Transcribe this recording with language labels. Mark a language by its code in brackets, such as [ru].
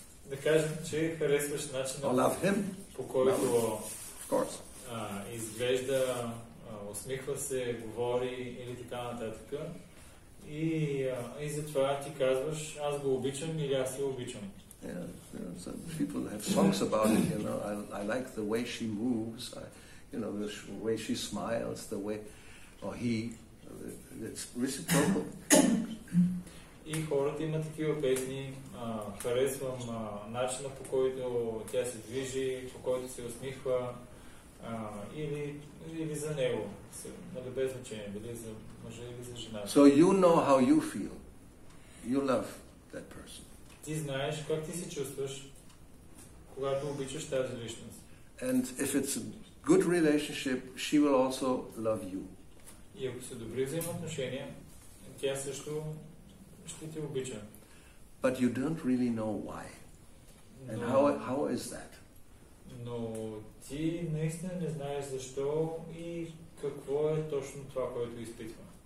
[bg] Да кажем, че харесваш начинът. [en] I love him. [bg] По който, [en] of course. [bg] Изглежда, усмихва се, говори или така нататък. И затова ти казваш, аз го обичам или аз я обичам. [en] Yeah, some people have songs about it, you know. I like the way she moves, the way she smiles, the way, or he, it's reciprocal. [bg] И хората имат такива песни, харесвам начина по който тя се движи, по който се усмихва, или за него, нали без значение, били за мъжа или за жена. [en] So you know how you feel. You love that person. [bg] Ти знаеш как ти се чувстваш, когато обичаш тази личност. [en] And if it's a good relationship, she will also love you. [bg] И ако са добри взаимоотношения, тя също ще те обича. [en] But you don't really know why. And how is that? [bg] Но ти наистина не знаеш защо и какво е точно това, което изпитва.